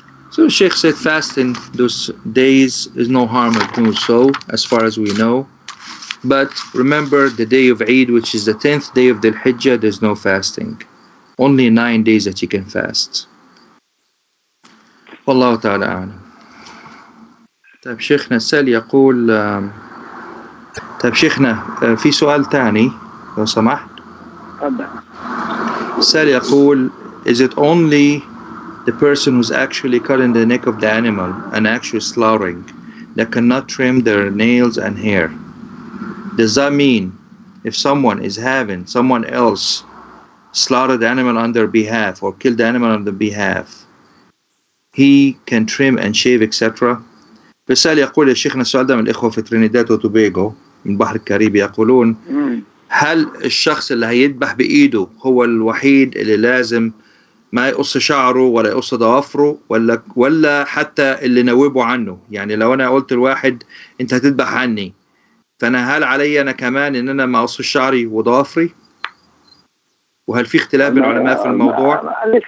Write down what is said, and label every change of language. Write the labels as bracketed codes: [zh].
[en] So Sheikh said fasting those days is no harm at all, so as far as we know. But remember the day of Eid, which is the 10th day of the Hijjah, there's no fasting, only 9 days that you can fast. [ar] والله تعالى أعلم. طيب شيخنا سأل يقول، طيب شيخنا في سؤال ثاني لو سمحت. تفضل. سأل يقول، [en] is it only the person who's actually cutting the neck of the animal and actually slaughtering, that cannot trim their nails and hair. Does that mean if someone is having someone else slaughter the animal on their behalf or kill the animal on their behalf, he can trim and shave, etc.? [ar] بسأل يقول الشيخنا السؤال ده من الإخوة في ترينيداد وتوبيغو من بحر الكاريبي يقولون هل الشخص اللي هيدبح بإيده هو الوحيد اللي لازم ما يقص شعره ولا يقص ضوافره ولا حتى اللي نوبه عنه؟ يعني لو أنا قلت الواحد أنت هتدبح عني، فأنا هل علي أنا كمان إن أنا ما أقص شعري وضوافري؟ وهل في اختلاف بين العلماء في الموضوع؟